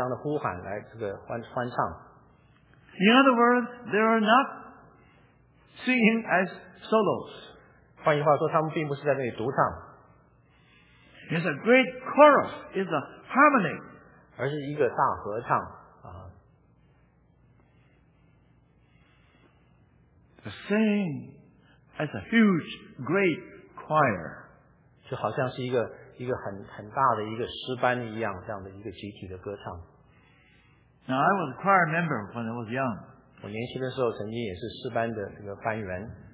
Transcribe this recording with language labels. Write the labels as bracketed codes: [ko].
[zh] 这里说他们向彼此互相的呼喊来欢唱。 [en] In other words, they are not singing as solos. [zh] 换句话说，他们并不是在那里独唱。 [en] It's a great chorus, it's a harmony. [zh] 而是一个大合唱。 [en] The same as a huge, great choir. [zh] 就好像是一个很大的一个诗班一样，这样的一个集体的歌唱。 [en] Now I was a choir member when I was young. [zh] 我年轻的时候曾经也是诗班的这个班员。